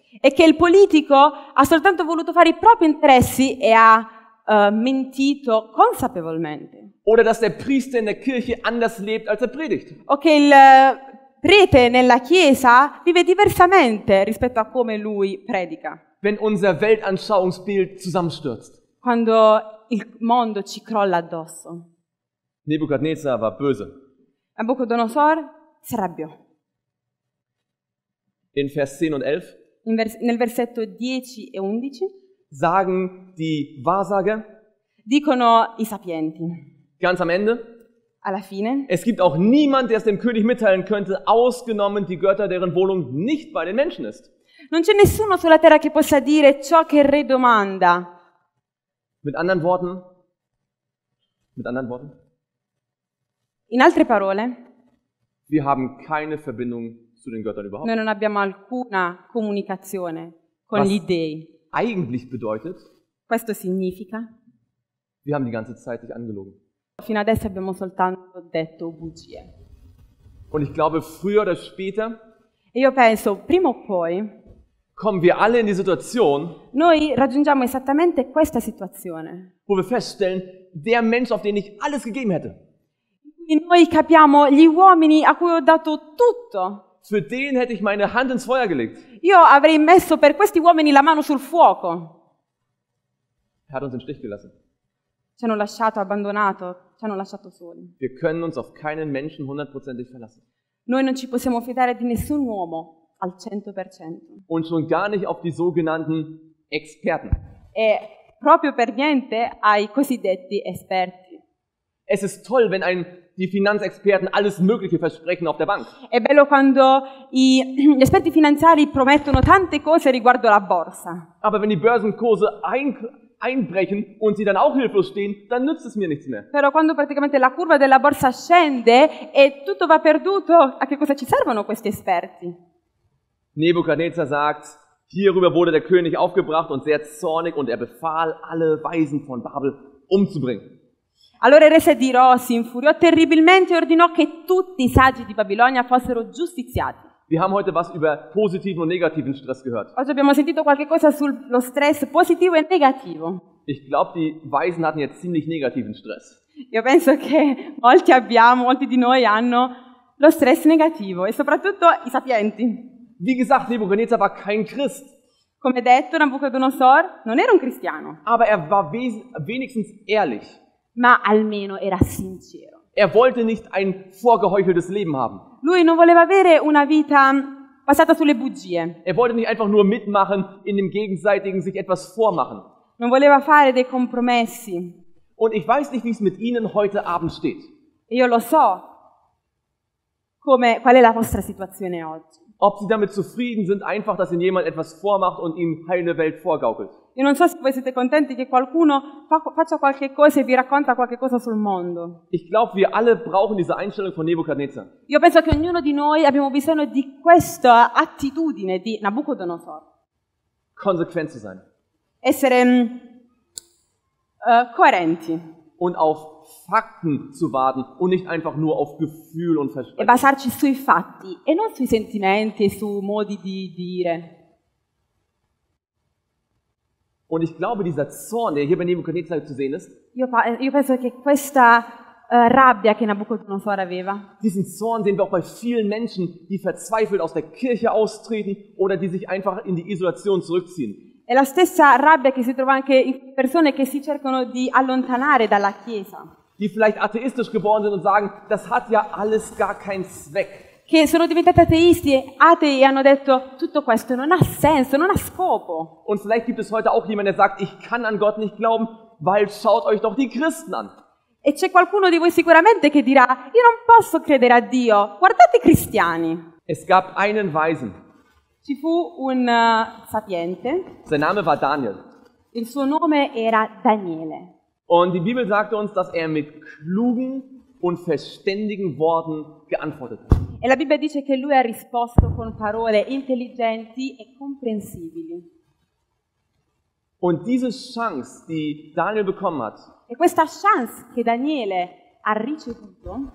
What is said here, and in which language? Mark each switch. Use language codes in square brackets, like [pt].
[it] E che il politico ha soltanto voluto fare i propri interessi e ha mentito consapevolmente. [de] Oder dass der Priester in der Kirche anders lebt als er predigt. [it] O che il prete nella chiesa vive diversamente rispetto a come lui predica. [de] Wenn unser Weltanschauungsbild zusammenstürzt. [it] Quando il mondo ci crolla addosso. [de] Nebuchadnezzar war böse. [it] Nabucodonosor si arrabbiò. [de] In Vers 10 und 11. [it] Nel versetto 10 e 11 [de] sagen die Wahrsager, [it] dicono i sapienti, [de] ganz am Ende, [it] alla fine, [de] es gibt auch niemand, der es dem König mitteilen könnte, ausgenommen die Götter, deren Wohnung nicht bei den Menschen ist. [it] Non c'è nessuno sulla terra che possa dire ciò che il re domanda. [de] Mit anderen Worten, [it] in altre parole, [de] wir haben keine Verbindung zu den Göttern überhaupt. [it] Noi non abbiamo alcuna comunicazione con gli dei. [de] Eigentlich bedeutet, [it] questo significa, [de] wir haben die ganze Zeit dich angelogen. [it] Fino adesso abbiamo soltanto detto bugie. [de] Und ich glaube, früher oder später, [it] e io penso, prima o poi, [de] kommen wir alle in die Situation, [it] noi raggiungiamo esattamente questa situazione, [de] wo wir feststellen, der Mensch, auf den ich alles gegeben hätte, [it] noi capiamo gli uomini a cui ho dato tutto. [de] Für den hätte ich meine Hand ins Feuer gelegt. [it] Io avrei messo per questi uomini la mano sul fuoco. [de] Er hat uns im Stich gelassen. [it] Ci hanno lasciato abbandonato, ci hanno lasciato soli. [de] Wir können uns auf keinen Menschen hundertprozentig verlassen. [it] Noi non ci possiamo fidare di nessun uomo al 100%. [de] Und schon gar nicht auf die sogenannten Experten. [it] E proprio per niente ai cosiddetti esperti. [de] Es ist toll, wenn die Finanzexperten alles Mögliche versprechen auf der Bank. [it] È bello quando gli esperti finanziari promettono tante cose riguardo la borsa. [de] Aber wenn die Börsenkurse einbrechen und sie dann auch hilflos stehen, dann nützt es mir nichts mehr. [it] Però quando praticamente la curva della borsa scende e tutto va perduto, a che cosa ci servono questi esperti? [de] Nebukadnezar sagt, hierüber wurde der König aufgebracht und sehr zornig und er befahl, alle Weisen von Babel umzubringen. [it] Allora il re di Ro si infuriò terribilmente e ordinò che tutti i saggi di Babilonia fossero giustiziati. [de] Wir haben heute was über positiven und negativen Stress gehört. [it] Oggi abbiamo sentito qualcosa sullo stress positivo e negativo. [de] Ich glaube, die Weisen hatten jetzt ziemlich negativen Stress. [it] Io penso che molti di noi hanno lo stress negativo e soprattutto i sapienti. [de] Wie gesagt, Nebukadnezar war kein Christ. [it] Come detto, Nabucodonosor non era un cristiano. [de] Aber er war wenigstens ehrlich. [it] Ma almeno era sincero. [de] Er wollte nicht ein vorgeheucheltes Leben haben. [it] Lui non voleva avere una vita basata sulle bugie. [de] Er wollte nicht einfach nur mitmachen in dem gegenseitigen sich etwas vormachen. [it] Non voleva fare dei compromessi. [de] Und ich weiß nicht, wie es mit Ihnen heute Abend steht. [it] Io lo so. Qual è la vostra situazione oggi? [de] Ob Sie damit zufrieden sind, einfach, dass Ihnen jemand etwas vormacht und Ihnen heile Welt vorgaukelt. [it] Io non so se voi siete contenti che qualcuno faccia qualche cosa e vi racconta qualche cosa sul mondo. [de] Ich glaube, wir alle brauchen diese Einstellung von Nebukadnezar. [it] Io penso che ognuno di noi abbiamo bisogno di questa attitudine di Nabucodonosor. [de] Konsequent zu sein. [it] Essere coerenti. [de] Und auf Fakten zu warten und nicht einfach nur auf Gefühl und Versprechen. [it] E basarci sui fatti e non sui sentimenti e su modi di dire. [de] Und ich glaube, dieser Zorn, der hier bei Nebukadnezar zu sehen ist, [it] io penso che questa rabbia che Nabucodonosor aveva, [de] diesen Zorn sehen wir auch bei vielen Menschen, die verzweifelt aus der Kirche austreten oder die sich einfach in die Isolation zurückziehen. [it] È la stessa rabbia che si trova anche in persone che si cercano di allontanare dalla Chiesa. [de] Die vielleicht atheistisch geboren sind und sagen, das hat ja alles gar keinen Zweck. [it] Che sono diventati ateisti, atei e hanno detto tutto questo non ha senso, non ha scopo. [de] Und vielleicht gibt es heute auch jemand, der sagt, ich kann an Gott nicht glauben, weil schaut euch doch die Christen an. [it] E c'è qualcuno di voi sicuramente che dirà, io non posso credere a Dio, guardate i cristiani. [de] Es gab einen Weisen. [it] Ci fu un sapiente. [de] Sein Name war Daniel. [it] Il suo nome era Daniele. [de] Und die Bibel sagt uns, dass er mit klugen und verständigen Worten geantwortet hat. [it] E la Bibbia dice che lui ha risposto con parole intelligenti e comprensibili. [de] Und diese Chance, die Daniel bekommen hat. [it] E questa chance che Daniele ha ricevuto.